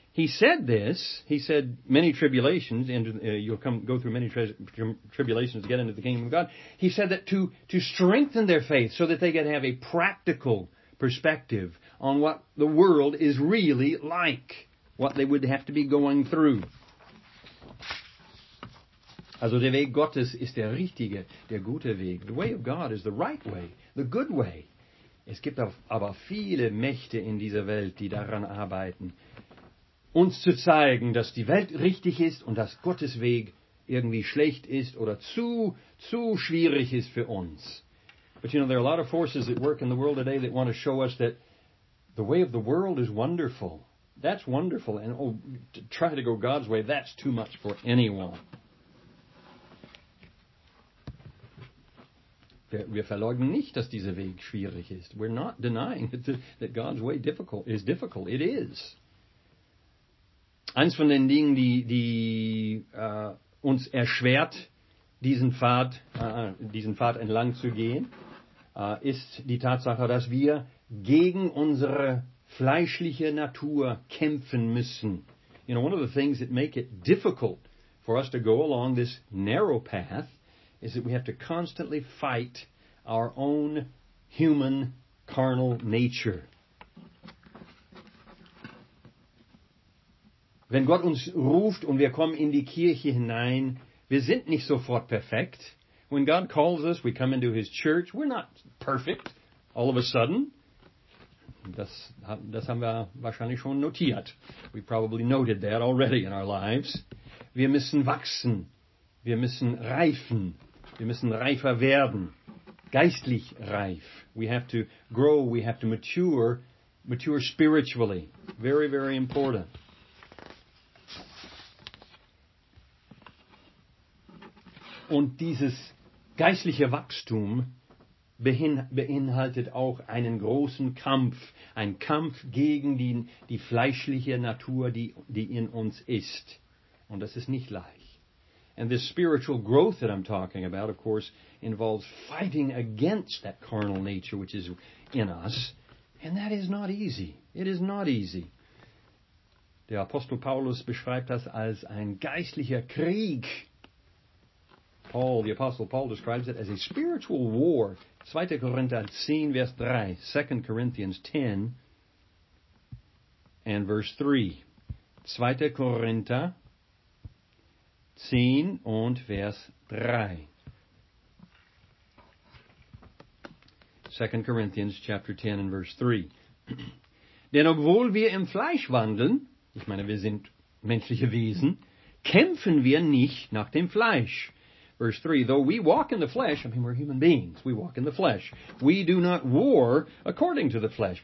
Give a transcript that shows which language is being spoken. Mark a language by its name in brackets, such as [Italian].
[English] He said this, he said many tribulations, and you'll go through many tribulations to get into the kingdom of God. He said that to strengthen their faith so that they could have a practical perspective on what the world is really like, what they would have to be going through. [German] Also der Weg Gottes ist der richtige, der gute Weg. [English] The way of God is the right way, the good way. [German] Es gibt aber viele Mächte in dieser Welt, die daran arbeiten, uns zu zeigen, dass die Welt richtig ist und dass Gottes Weg irgendwie schlecht ist oder zu schwierig ist für uns. [English] But you know, there are a lot of forces at work in the world today that want to show us that the way of the world is wonderful. That's wonderful. And oh, to try to go God's way, that's too much for anyone. [German] Wir verleugnen nicht, dass dieser Weg schwierig ist. [English] We're not denying that God's way is difficult. It is. [German] Eins von den Dingen, die uns erschwert, diesen Pfad entlang zu gehen, ist die Tatsache, dass wir gegen unsere fleischliche Natur kämpfen müssen. [English] You know, one of the things that make it difficult for us to go along this narrow path is that we have to constantly fight our own human carnal nature. [German] Wenn Gott uns ruft und wir kommen in die Kirche hinein, wir sind nicht sofort perfekt. [English] When God calls us, we come into his church, we're not perfect all of a sudden. [German] Das haben wir wahrscheinlich schon notiert. [English] We probably noted that already in our lives. [German] Wir müssen wachsen. Wir müssen reifen. Wir müssen reifer werden. Geistlich reif. [English] We have to grow, we have to mature spiritually. Very, very important. [German] Und dieses geistliche Wachstum beinhaltet auch einen großen Kampf. Ein Kampf gegen die fleischliche Natur, die in uns ist. Und das ist nicht leicht. [English] And this spiritual growth that I'm talking about, of course, involves fighting against that carnal nature which is in us. And that is not easy. It is not easy. [German] Der Apostel Paulus beschreibt das als ein geistlicher Krieg. [English] Paul, the Apostle Paul, describes it as a spiritual war. [German] 2. Korinther 10, Vers 3. [English] 2. Corinthians 10 and verse 3. [German] 2. Korinther 10 und Vers 3. [English] 2. Corinthians chapter 10 and verse 3. [German] Denn obwohl wir im Fleisch wandeln, ich meine, wir sind menschliche Wesen, kämpfen wir nicht nach dem Fleisch. [English] Verse 3, though we walk in the flesh, I mean, we're human beings, we walk in the flesh. We do not war according to the flesh.